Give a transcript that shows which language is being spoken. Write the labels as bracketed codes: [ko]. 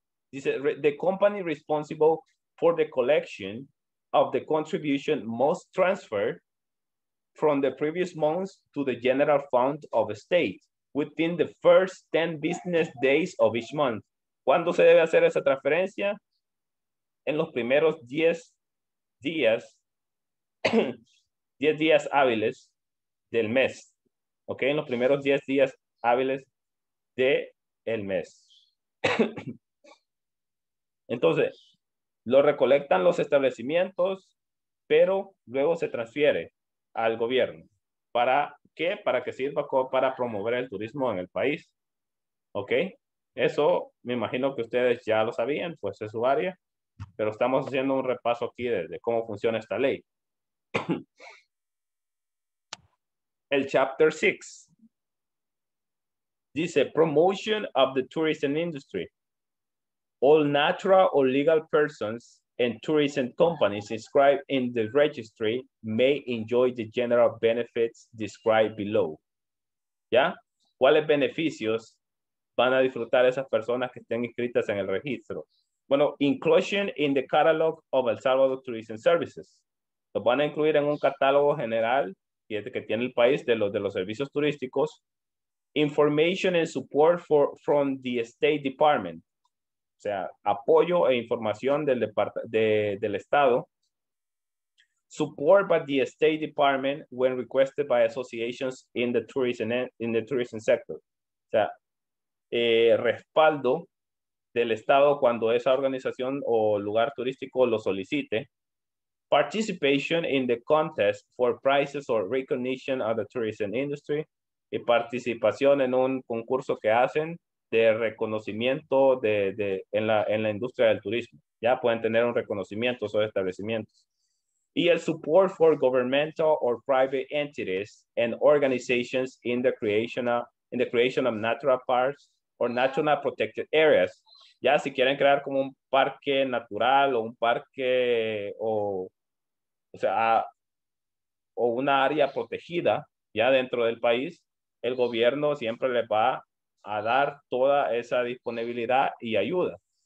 [es] Dice, [en] the company responsible for the collection of the contribution must transfer from the previous months to the general fund of the state within the first 10 business days of each month. [es] ¿Cuándo se debe hacer esa transferencia? En los primeros 10 días, 10 días hábiles del mes, ok, en los primeros 10 días hábiles de el mes. Entonces, lo recolectan los establecimientos, pero luego se transfiere al gobierno. ¿Para qué? Para que sirva para promover el turismo en el país. Ok, eso me imagino que ustedes ya lo sabían, pues es su área, pero estamos haciendo un repaso aquí de cómo funciona esta ley. El [en] chapter 6 [es] dice [en] promotion of the tourism industry. All natural or legal persons and tourism companies inscribed in the registry may enjoy the general benefits described below. [es] ¿Ya? ¿Cuáles beneficios van a disfrutar esas personas que estén inscritas en el registro? Bueno, [en] inclusion in the catalog of El Salvador Tourism Services. [es] Los van a incluir en un catálogo general que tiene el país de los servicios turísticos. [en] Information and support from the State Department. [es] O sea, apoyo e información del Estado. [en] Support by the State Department when requested by associations in the tourism sector. [es] O sea, respaldo del Estado cuando esa organización o lugar turístico lo solicite. [en] Participation in the contest for prizes or recognition of the tourism industry. [es] Y participación en un concurso que hacen de reconocimiento en la industria del turismo. Ya pueden tener un reconocimiento sobre establecimientos. Y el [en] support for governmental or private entities and organizations in the creation of natural parks or natural protected areas. [es] Ya si quieren crear como un parque natural o un parque o una área protegida ya dentro del país, el gobierno siempre les va a dar toda esa disponibilidad y ayuda.